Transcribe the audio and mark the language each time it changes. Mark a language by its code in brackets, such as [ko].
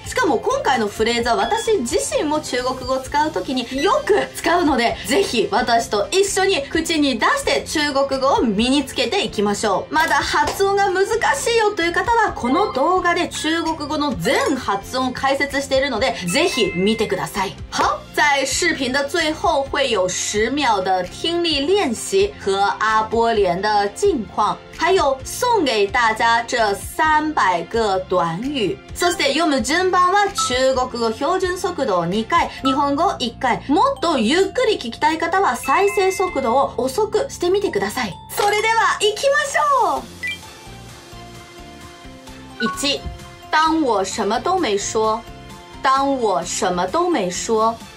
[ja] しかも今回のフレーズは私自身も中国語を使うときによく使うので、ぜひ私と一緒に口に出して中国語を身につけていきましょう。まだ発音が難しいよという方は、この動画で中国語の全発音解説しているので、ぜひ見てください。 [zh] 好，在视频的最后会有10秒的听力练习和阿波连的近况，还有送给大家这300个短语。 [ja] そして読む順番は中国語標準速度を2回、日本語1回。もっとゆっくり聞きたい方は再生速度を遅くしてみてください。それでは行きましょう。 1、 [zh] 当我什么都没说。当我什么都没说。